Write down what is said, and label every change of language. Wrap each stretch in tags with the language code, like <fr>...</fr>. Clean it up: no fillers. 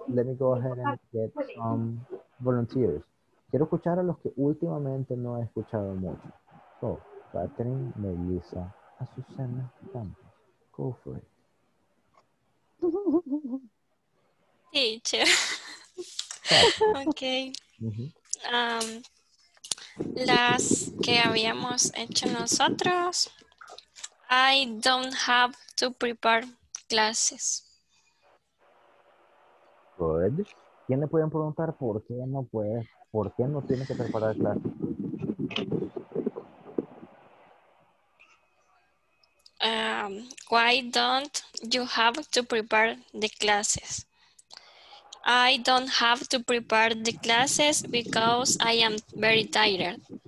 <en>Let me go ahead and get some volunteers.</en> <es>Quiero escuchar a los que últimamente no he escuchado mucho.</es> <en>So, Catherine, Melissa, Azucena, Campos. Go for it. Teacher. Okay. Mm-hmm.</en> <es>Las que habíamos hecho nosotros,</es> <en>I don't have to prepare classes. Good.</en> <es>¿Quién le pueden preguntar por qué no puede, por qué no tiene que preparar clase?</es> <en>Why don't you have to prepare the classes? I don't have to prepare the classes because I am very tired.</en>